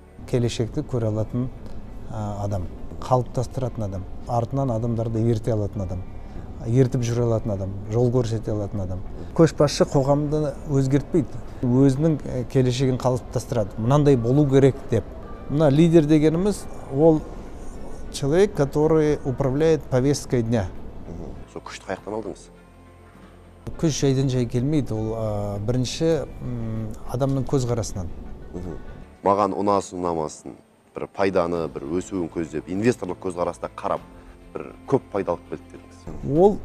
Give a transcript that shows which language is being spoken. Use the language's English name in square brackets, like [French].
[Kazakh] Келешекті көре алатын адам, қалыптастыратын адам, артынан адамдарды ерте алатын адам, ертіп жүре алатын адам, жол көрсете алатын адам. Көшбасшы қоғамды өзгертпейді, өзінің келешегін қалыптастырады, мынандай болу керек деп. Мына лидер дегеніміз ол [Russian] человек, который управляет повесткой дня. [Kazakh] Сол күшті қаяқтан алдыңыз? Күш жайдан жай келмейді, ол бірінші адамның көзқарасынан. Маған ұнасын ұнамасын, бір пайданы, бір өсуін көздеп, инвесторлық көзқарасына қарап, бір көп пайдалық білді дедіңіз.